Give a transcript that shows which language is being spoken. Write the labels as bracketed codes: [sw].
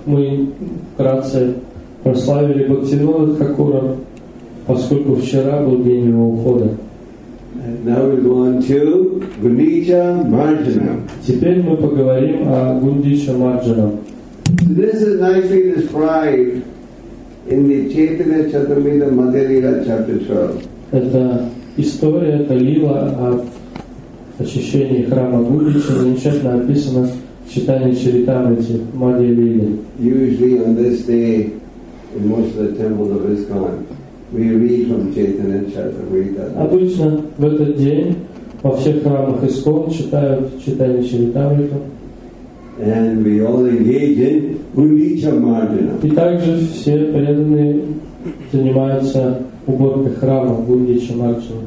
[ru] мы вкратце прославили Бхактивинода Тхакура, поскольку вчера был день его ухода. [en] Now we go on to Gundicha Marjanam. [ru] Теперь мы поговорим о Гундича Марджанам. [en] This is nicely described in the Chaitanya Charitamrita Madhya Lila chapter 12. [ru] Это история, это лила о очищении храма Гундича, замечательно описана в Чайтанья Чаритамрите Мадхья Лиле. [en] Usually on this day in most of the temples of ISKCON, we read from Chaitanya Charitamrita. [ru] Обычно в этот день во всех храмах ИСКОН читают Чайтанья Чаритамриту. [en] And we all engage in Гундича Марджана. [ru] И также все преданные занимаются уборкой храма Гундича Марджана.